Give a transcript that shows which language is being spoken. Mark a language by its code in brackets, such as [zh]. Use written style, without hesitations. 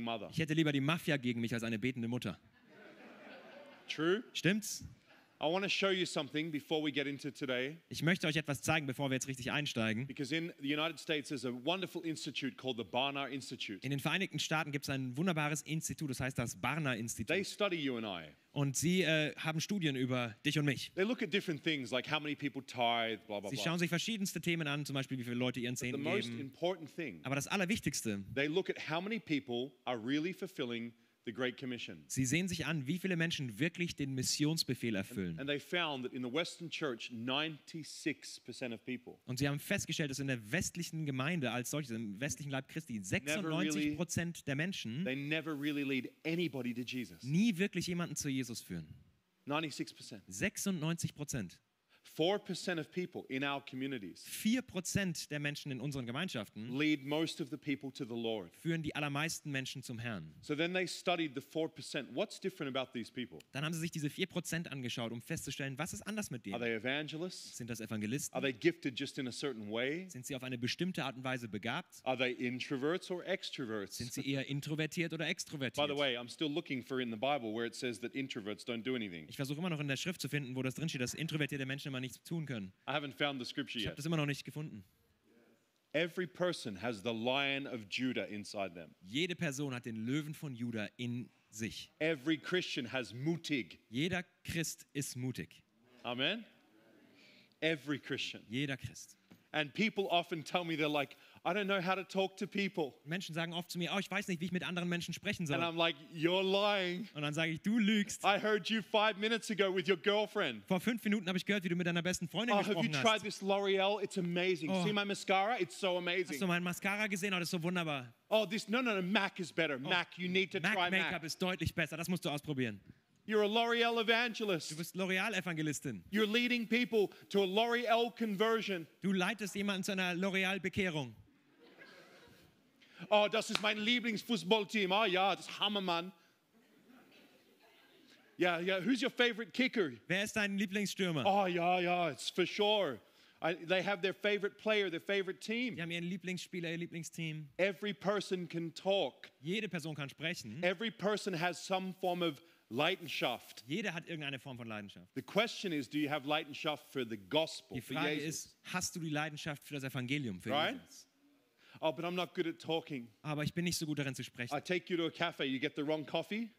[de] Ich hätte lieber die Mafia gegen mich als eine betende Mutter. [en] True? [de] Stimmt's? [en] I want to show you something before we get into today. [de] Ich möchte euch etwas zeigen, bevor wir jetzt richtig einsteigen. [en] Because in the United States is a wonderful institute called the Barnard Institute. [de] In den Vereinigten Staaten gibt es ein wunderbares Institut, das heißt das Barnard Institut. [en] They study you and I. [de] Und sie haben Studien über dich und mich. [en] They look at different things like how many people tithe, blah blah blah. [de] Sie schauen sich verschiedenste Themen an, zum Beispiel wie viele Leute ihren Zehnten geben. [en] But the most important thing. [de] Aber das Allerwichtigste. [en] They look at how many people are really fulfilling the Great Commission. [de] Sie sehen sich an, wie viele Menschen wirklich den Missionsbefehl erfüllen. [en] And they found that in the Western Church, 96% of people. [de] Und sie haben festgestellt, dass in der westlichen Gemeinde als solches, im westlichen Leib Christi, 96% der Menschen [en] they never really lead anybody to Jesus. [de] Nie wirklich jemanden zu Jesus führen. [en] 96%. [de] 96%. [en] 4% of people in our communities. [de] 4% der Menschen in unseren Gemeinschaften [en] lead most of the people to the Lord. [de] Führen die allermeisten Menschen zum Herrn. [en] So then they studied the 4%. What's different about these people? [de] Dann haben sie sich diese 4% angeschaut, um festzustellen, was ist anders mit denen? [en] Are they evangelists? [de] Sind das Evangelisten? [en] Are they gifted just in a certain way? [de] Sind sie auf eine bestimmte Art und Weise begabt? [en] Are they introverts or extroverts? [de] Sind sie eher introvertiert oder extrovertiert? [en] By the way, I'm still looking for in the Bible where it says that introverts don't do anything. [de] Ich versuche immer noch in der Schrift zu finden, wo das drin steht, dass introvertierte Menschen immer nichts tun können. [en] I haven't found the scripture yet. [de] Ich habe das immer noch nicht gefunden. [en] Every person has the lion of Judah inside them. [de] Jede Person hat den Löwen von Juda in sich. [en] Every Christian has mutig. [de] Jeder Christ ist mutig. [en] Amen. Every Christian. [de] Jeder Christ. [en] And people often tell me they're like, I don't know how to talk to people. [de] Menschen sagen oft zu mir, oh, ich weiß nicht, wie ich mit anderen Menschen sprechen soll. [en] And I'm like, you're lying. [de] Und dann sage ich, du lügst. [en] I heard you 5 minutes ago with your girlfriend. [de] Vor 5 Minuten habe ich gehört, wie du mit deiner besten Freundin gesprochen hast. [en] Oh, have you tried this L'Oreal? It's amazing. Oh. See my mascara? It's so amazing. [de] Hast du meinen Mascara gesehen? Oh, das ist so wunderbar. [en] Oh, this, no, Mac is better. Oh. Mac, you need to Mac try Mac. [de] Mac Make-up ist deutlich besser. Das musst du ausprobieren. [en] You're a L'Oreal evangelist. [de] Du bist L'Oreal Evangelistin. [en] You're leading people to a L'Oreal conversion. [de] Du leitest jemanden zu einer L'Oreal Bekehrung. Oh, das ist mein Lieblingsfußballteam. Oh ja, das Hammermann. [en] Yeah, yeah. Who's your favorite kicker? [de] Wer ist dein Lieblingsstürmer? [en] Oh ja, ja, it's for sure. They have their favorite player, their favorite team. [de] Die haben ihren Lieblingsspieler, ihr Lieblingsteam. [en] Every person can talk. [de] Jede Person kann sprechen. [en] Every person has some form of Leidenschaft. [de] Jeder hat irgendeine Form von Leidenschaft. [en] The question is, do you have Leidenschaft for the gospel? [de] Die Frage ist, hast du die Leidenschaft für das Evangelium, für Jesus? [en] Oh, but I'm not good at talking. [de] Aber ich bin nicht so gut darin zu sprechen. [en] I take you to a cafe, you get the wrong coffee.